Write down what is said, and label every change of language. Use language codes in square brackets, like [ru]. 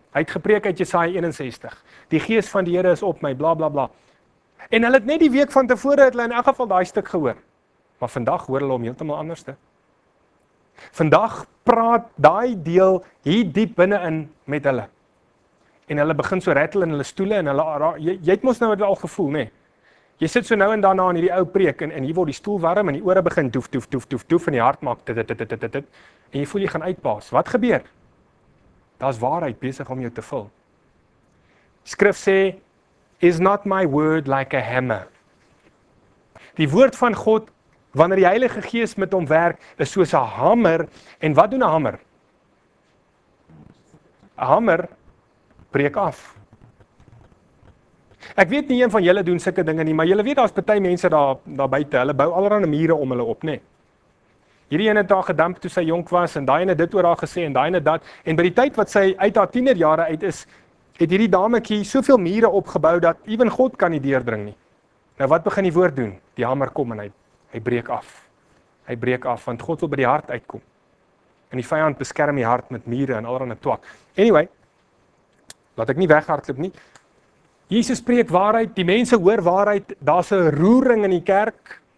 [af] Hy het gepreek uit Jesaja 61. Die gees van die Here is op my, bla bla bla. En hulle het net die week van tevore het hulle in elk geval daai stuk gehoor. Maar vandag hoor hulle hom heeltemal anders te. Vandag praat daai deel hier diep binne-in met hulle. En hulle begin so rattle in hulle stoele en hulle jy het mos nou dit al gevoel, nê? Jy sit so nou en daarna in hierdie ou preek en hier word die stoel warm en die ore begin toef toef toef toef toef en die hart maak dit dit dit dit en jy voel jy gaan uitpaas. Wat gebeur? Daar's waarheid besig om jou te vul. Skrif sê, [en] "Is not my word like a hammer." [af] Die woord van God, wanneer die Heilige Gees met hom werk, is soos 'n hamer. En wat doen 'n hamer? 'N hamer breek af. Ek weet nie een van julle doen sulke dinge nie, maar julle weet daar's party mense daar buite, hulle bou allerlei mure om hulle op, nê. Hierdie een het haar gedump toe sy jonk was en daai een het dit oor haar gesê en daai een het dat en by die tyd wat sy uit haar tienerjare uit is, het hierdie dametjie soveel mure opgebou dat ewen God kan nie deurdring nie. Nou wat begin die woord doen? Die hamer kom en hy breek af. Hy breek af want God wil by die hart uitkom. En die vyand beskerm die hart met mure en allerlei twak. Anyway, laat ek nie weghardloop nie. Jesus preek waarheid, die mense hoor waarheid, daar's 'n roering in die kerk.